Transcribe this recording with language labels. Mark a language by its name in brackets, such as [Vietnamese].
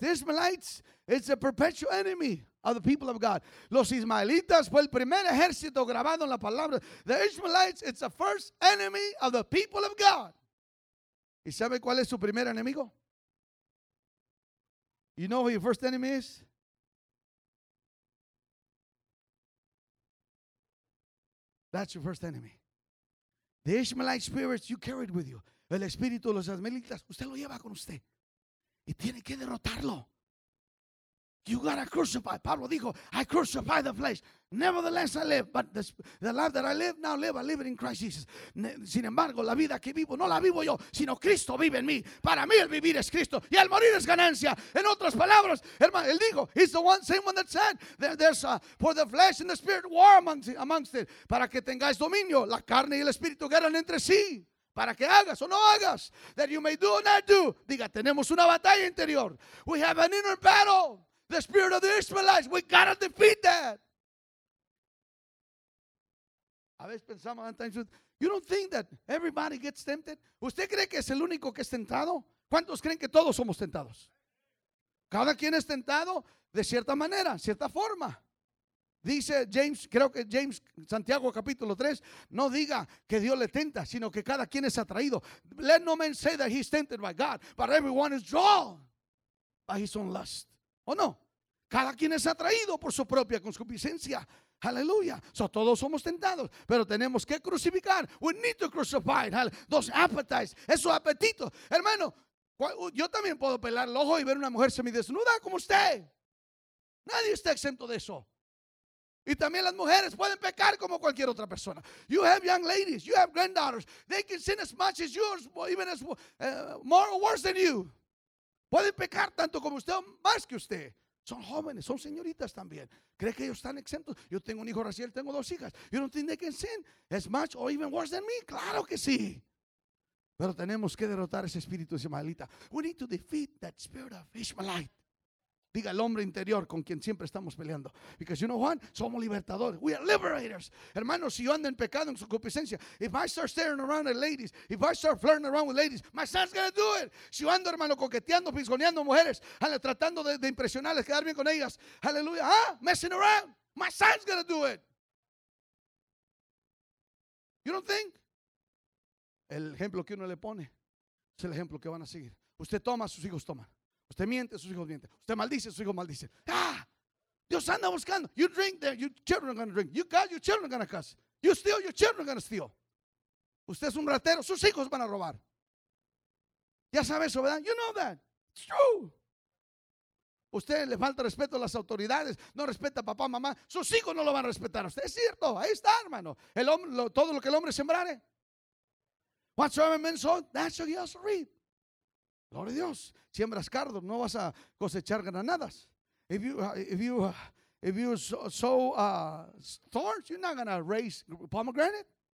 [English] The Ishmaelites, it's a perpetual enemy of the people of God. [Spanish] Los ismaelitas fue el primer ejército grabado en la palabra. [English] The Ishmaelites, it's the first enemy of the people of God. [Spanish] ¿Y sabe cuál es su primer enemigo? [English] You know who your first enemy is? That's your first enemy. The Ishmaelite spirits you carried with you. [Spanish] El espíritu de los ismaelitas, usted lo lleva con usted. Y tiene que derrotarlo. [English] You gotta crucify. Pablo dijo, I crucify the flesh. Nevertheless, I live. But the life that I live, now live, I live it in Christ Jesus. [Spanish] Sin embargo, la vida que vivo, no la vivo yo, sino Cristo vive en mí. Para mí el vivir es Cristo. Y el morir es ganancia. En otras palabras, hermano, él dijo, [English] he's the one, same one that said, for the flesh and the spirit war amongst it. [Spanish] Para que tengáis dominio, la carne y el espíritu guerran entre sí. Para que hagas o no hagas, [English] that you may do or not do. [Spanish] Diga, tenemos una batalla interior. [English] We have an inner battle. The spirit of the Israelites, we gotta defeat that. [Spanish] A veces pensamos, [English] sometimes you don't think that everybody gets tempted. [Spanish] ¿Usted cree que es el único que es tentado? ¿Cuántos creen que todos somos tentados? Cada quien es tentado de cierta manera, cierta forma. Dice James, creo que James, Santiago capítulo 3, no diga que Dios le tenta, sino que cada quien es atraído. [English] Let no man say that he's tempted by God, but everyone is drawn by his own lust. [Spanish] ¿O no? Cada quien es atraído por su propia concupiscencia. Aleluya. So todos somos tentados, pero tenemos que crucificar. [English] We need to crucify. Those appetites. [Spanish] Esos apetitos. Hermano, yo también puedo pelar el ojo y ver una mujer semidesnuda como usted. Nadie está exento de eso. Y también las mujeres pueden pecar como cualquier otra persona. [English] You have young ladies. You have granddaughters. They can sin as much as yours, even as more or worse than you. [Spanish] Pueden pecar tanto como usted o más que usted. Son jóvenes, son señoritas también. ¿Cree que ellos están exentos? Yo tengo un hijo Raciel, tengo dos hijas. [English] You don't think they can sin as much or even worse than me? [Spanish] Claro que sí. Pero tenemos que derrotar ese espíritu ismaelita. [English] We need to defeat that spirit of Ishmaelite. [Spanish] Diga el hombre interior con quien siempre estamos peleando. [English] Because you know what? [Spanish] Somos libertadores. [English] We are liberators. [Spanish] Hermanos, si yo ando en pecado, en su concupiscencia, [English] if I start staring around at ladies, if I start flirting around with ladies, my son's going to do it. [Spanish] Si yo ando, hermano, coqueteando, pisgoneando mujeres, tratando de impresionarles, quedar bien con ellas, aleluya, [English] messing around, my son's going to do it. You don't think? [Spanish] El ejemplo que uno le pone es el ejemplo que van a seguir. Usted toma, sus hijos toman. Usted miente, sus hijos mienten. Usted maldice, sus hijos maldicen. ¡Ah! Dios anda buscando. [English] You drink, your children are going to drink. You got, your children are going to cuss. You steal, your children are going to steal. [Spanish] Usted es un ratero, sus hijos van a robar. Ya sabe eso, ¿verdad? [English] You know that. It's true. [Spanish] Usted le falta respeto a las autoridades, no respeta a papá, mamá. Sus hijos no lo van a respetar a usted. Es cierto, ahí está, hermano. El hombre, todo lo que el hombre sembrare. [English] Whatsoever men sow, that's what he also reap. [Spanish] Gloria a Dios. Siembras cardo, no vas a cosechar granadas. [English] If you sow thorns, you're not going to raise pomegranate.